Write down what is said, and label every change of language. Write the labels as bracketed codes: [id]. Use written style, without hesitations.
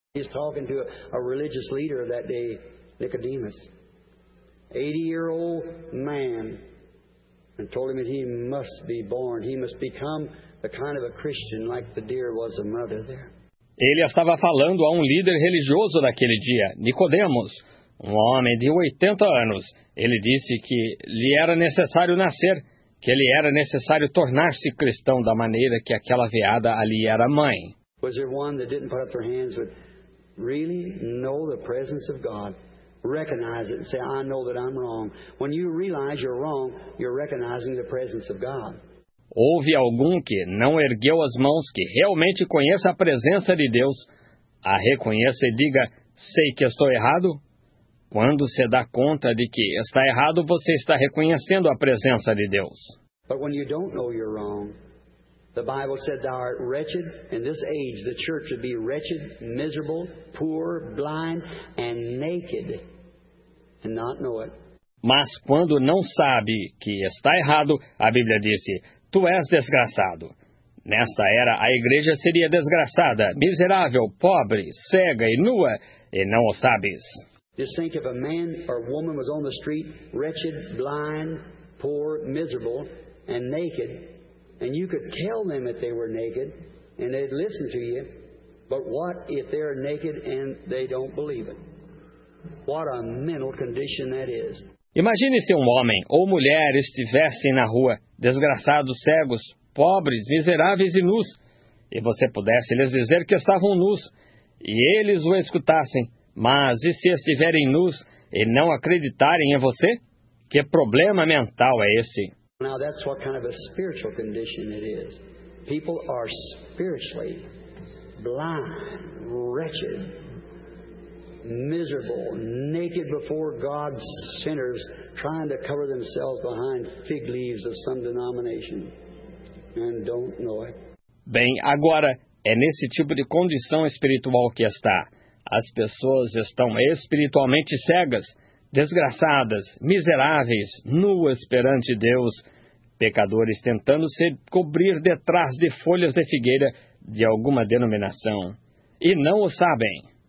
[en] He's talking to a religious leader that day, Nicodemus. 80-year-old man, and told him that he must be born. He must become the kind of a Christian like the deer was a mother there. [pt] Ele estava falando a um líder religioso daquele dia, Nicodemos, um homem de 80 anos. Ele disse que lhe era necessário nascer, que lhe era necessário tornar-se cristão da maneira que aquela veada ali era mãe. [en] Was there one that didn't put up their hands with really know the presence of God, recognize it and say, I know that I'm wrong. When you realize you're wrong, you're recognizing the presence of God. [pt] Houve algum que não ergueu as mãos, que realmente conheça a presença de Deus, a reconheça e diga, sei que estou errado? Quando se dá conta de que está errado, você está reconhecendo a presença de Deus. [en] But when you don't know you're wrong, the Bible said thou art wretched. In this age, the church would be wretched, miserable, poor, blind, and naked, and not know it. [pt] Mas quando não sabe que está errado, a Bíblia disse, tu és desgraçado, Nesta era, a igreja seria desgraçada, miserável, pobre, cega e nua, e não o sabes. [en] Just think if a man or woman was on the street, wretched, blind, poor, miserable, and naked, and you could tell them that they were naked, and they'd listen to you, but what if they're naked and they don't believe it? What a mental condition that is. [pt] Imagine se um homem ou mulher estivessem na rua, desgraçados, cegos, pobres, miseráveis e nus, e você pudesse lhes dizer que estavam nus, e eles o escutassem. Mas e se estiverem nus e não acreditarem em você? Que problema mental é esse? [en] Now that's what kind of a spiritual condition it is. People are spiritually blind, wretched, miserable, naked before God's sinners, trying to cover themselves behind fig leaves of some denomination, and don't know it. [pt] Bem, agora, é nesse tipo de condição espiritual que está. As pessoas estão espiritualmente cegas, desgraçadas, miseráveis, nuas perante Deus, pecadores tentando se cobrir detrás de folhas de figueira de alguma denominação, e não o sabem.